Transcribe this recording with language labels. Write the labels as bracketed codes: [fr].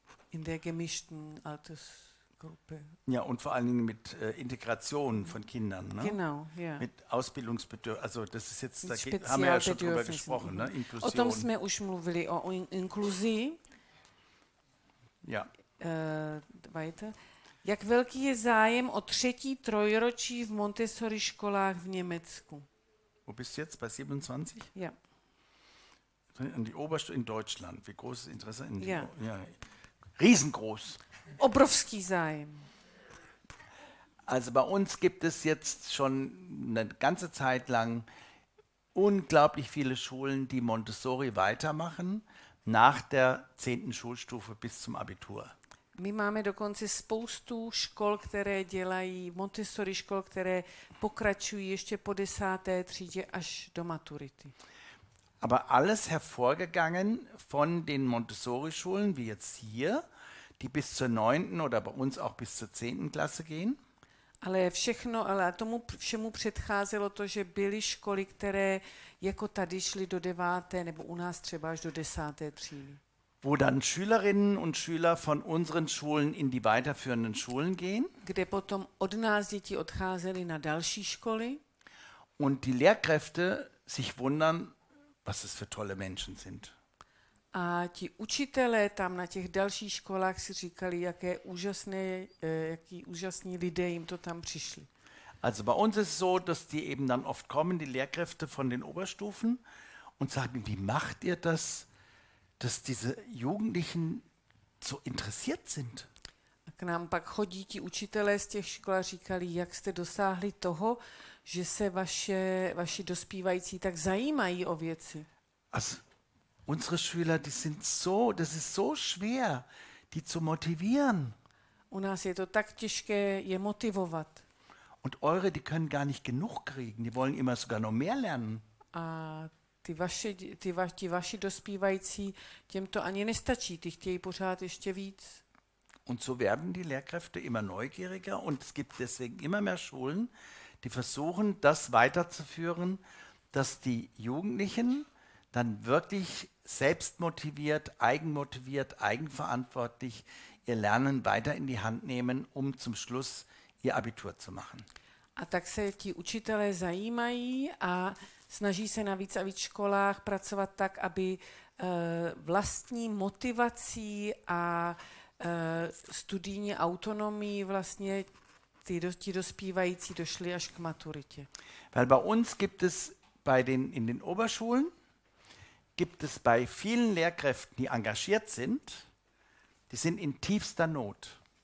[de] In der gemischten Altersgruppe. Ja, und vor allen Dingen mit Integration von Kindern. Ne? Genau, ja. Mit Ausbildungsbedürfnissen, also das ist jetzt, da haben wir ja schon drüber gesprochen, ne? [cs] Inklusion. O tom jsme už mluvili, o inkluzi. [de] Ja. Weiter. [cs] Jak velký je zájem o třetí trojročí v Montessori školách v Německu? [de] Wo bist du jetzt, bei 27? Ja. An die Oberstufe in Deutschland, wie groß ist Interesse in die ja. Ja. Riesengroß. [cs] Obrovský zájem. [de] Also bei uns gibt es jetzt schon eine ganze Zeit lang unglaublich viele Schulen, die Montessori weitermachen nach der 10. Schulstufe bis zum Abitur. [cs] My máme dokonce spoustu škol, které dělají Montessori škol, které pokračují ještě po 10. třídě až do maturity. [de] Aber alles hervorgegangen von den Montessori-Schulen, wie jetzt hier, die bis zur 9. oder bei uns auch bis zur 10. Klasse gehen. [cs] Ale všechno, ale tomu všemu předcházelo to, že byly školy, které jako tady šly do 9. nebo u nás třeba až do 10. třídy. [de] Wo dann Schülerinnen und Schüler von unseren Schulen in die weiterführenden Schulen gehen. [cs] Kde potom od nás děti odcházely na další školy. [de] Und die Lehrkräfte sich wundern, was es für tolle Menschen sind. [cs] A ti učitelé tam na těch dalších školách si říkali, jaké úžasné, jaký úžasní lidé jim to tam přišli. [de] Also bei uns ist es so, dass die eben dann oft kommen, die Lehrkräfte von den Oberstufen und sagen, wie macht ihr das, dass diese Jugendlichen so interessiert sind? [cs] A k nám pak chodí ti učitelé z těch škol a říkali, jak jste dosáhli toho, že se vaši dospívající tak zajímají o věci. [de] Also, unsere Schüler, die sind so, das ist so schwer, die zu motivieren. [cs] U nás je to tak těžké je motivovat. [de] Und eure, die können gar nicht genug kriegen, die wollen immer sogar noch mehr lernen. [cs] A ti vaši dospívající, těm to ani nestačí, ty chtějí pořád ještě víc. [de] Und so werden die Lehrkräfte immer neugieriger und es gibt deswegen immer mehr Schulen, die versuchen, das weiterzuführen, dass die Jugendlichen dann wirklich selbstmotiviert, eigenmotiviert, eigenverantwortlich ihr Lernen weiter in die Hand nehmen, um zum Schluss ihr Abitur zu machen. [cs] A tak se ti učitelé zajímají a snaží se na víc a víc školách pracovat tak, aby vlastní motivací a studijní autonomii vlastně ti dospívající došli až k maturitě. [de] Weil bei uns gibt es in den Oberschulen gibt es bei vielen Lehrkräften, die engagiert sind, die sind in tiefster Not.